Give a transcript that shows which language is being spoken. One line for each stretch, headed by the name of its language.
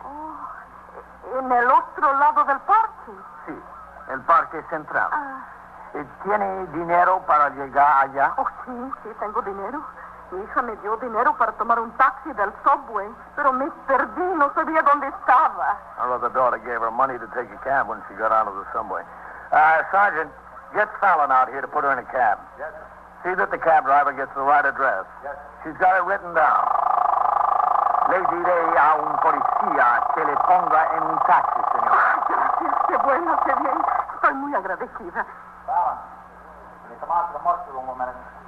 Spanish: Oh, en el otro lado del parque? Sí, el parque central. ¿Tiene dinero para llegar allá? Oh, sí, sí, tengo dinero. Mi hija me dio dinero para tomar un taxi del subway, pero me perdí, no sabía dónde estaba.
English: Her other daughter gave her money to take a cab when she got out of the subway. Sergeant, get Fallon out here to put her in a cab. Yes, sir. See that the cab driver gets the right address. Yes, sir. She's got it written down.
Spanish: Le diré a un policía que le ponga en un taxi, señor. Ah, gracias, qué bueno, qué bien. Estoy muy agradecida.
English: Fallon, can you come out to the muster room a minute?